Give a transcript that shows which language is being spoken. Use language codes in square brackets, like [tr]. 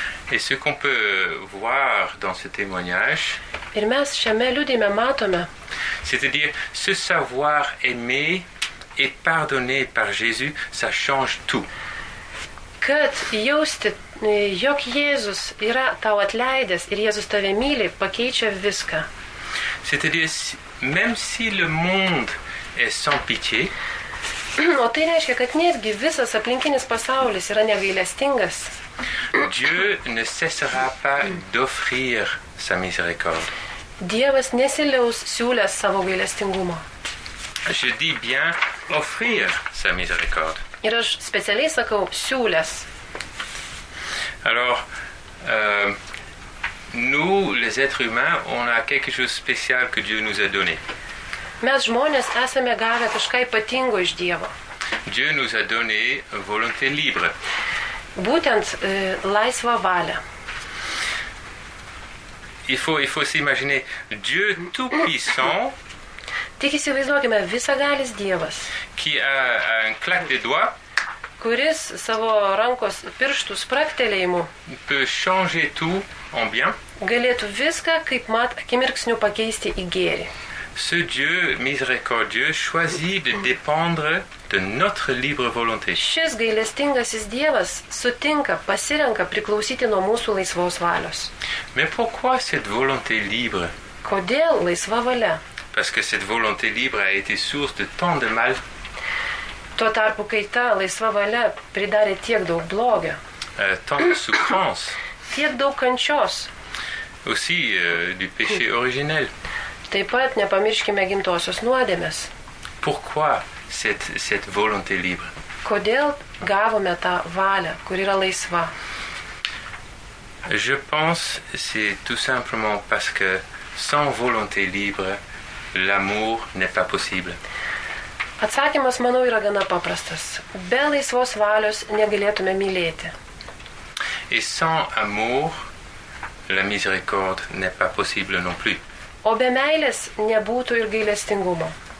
[fr] Et ce qu'on peut voir dans ce témoignage, [lt] ir mes šiame liudime matome, [fr] c'est-à-dire ce savoir aimer et pardonner par Jésus, ça change tout. [lt] Kad jausti, jog Jėzus yra tau atleidęs ir Jėzus tave myli, pakeičia viską. [fr] C'est-à-dire, même si le monde est sans pitié. [lt] O tai reiškia, kad netgi visas aplinkinis pasaulis yra negailestingas. [fr] Dieu ne cessera pas d'offrir sa miséricorde. [lt] Dievas nesiliaus siūlęs savo gailestingumo. [fr] Je dis bien offrir sa miséricorde. [lt] Ir aš specialiai sakau siūlęs. [fr] Alors, nous les êtres humains, on a quelque chose spécial que Dieu nous a donné. [lt] Mes žmonės esame gavę kažką ypatingo iš Dievo. [fr] Dieu nous a donné volonté libre. [lt] Būtent laisvą valią. [fr] Il faut s'imaginer Dieu tout puissant. [lt] Tik įsivaizduokime visagalis Dievas. [fr] Qui a un claque de doigts. [lt] Kuris savo rankos pirštų spragtelėjimu. [fr] Peut changer tout en bien. [lt] Galėtų viską kaip mat akimirksniu pakeisti į gėrį. [fr] Ce Dieu miséricordieux choisit de dépendre de notre libre volonté. [lt] Šis gailestingasis Dievas sutinka, pasirenka priklausyti nuo mūsų laisvos valios. [fr] Mais pourquoi cette volonté libre? [lt] Kodėl laisva valia? [fr] Parce que cette volonté libre a été source de tant de mal. [lt] Tuo tarpu, kai ta laisva valia pridarė tiek daug blogio. [fr] Tant de souffrance. [lt] Tiek daug kančios. [fr] Aussi du péché originel. [lt] Taip pat nepamirškime gimtosios nuodėmės. [fr] Pourquoi cette volonté libre? [lt] Kodėl gavome tą valią, kur yra laisva? [fr] Je pense c'est tout simplement parce que sans volonté libre, l'amour n'est pas possible. [lt] Atsakymas, manau, yra gana paprastas. Be laisvos valios negalėtume mylėti. [fr] Et sans amour, la miséricorde n'est pas possible non plus. [lt] O be meilės nebūtų ir gailestingumo.